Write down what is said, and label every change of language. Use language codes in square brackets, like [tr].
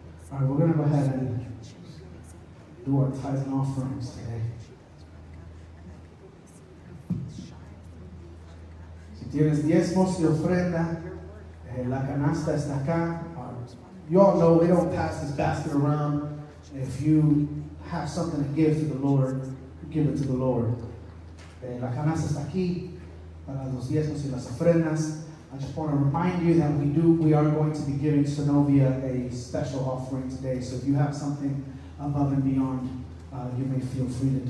[en] All right, we're going to go ahead and do our tithes and offerings today. [es] Si tienes diezmos y ofrenda, la canasta está acá. [en] You all know we don't pass this basket around. If you have something to give to the Lord, give it to the Lord. [es] La canasta está aquí para los diezmos y las ofrendas. [en] I just want to remind you that we are going to be giving Sonovia a special offering today. So if you have something above and beyond, you may feel free to do.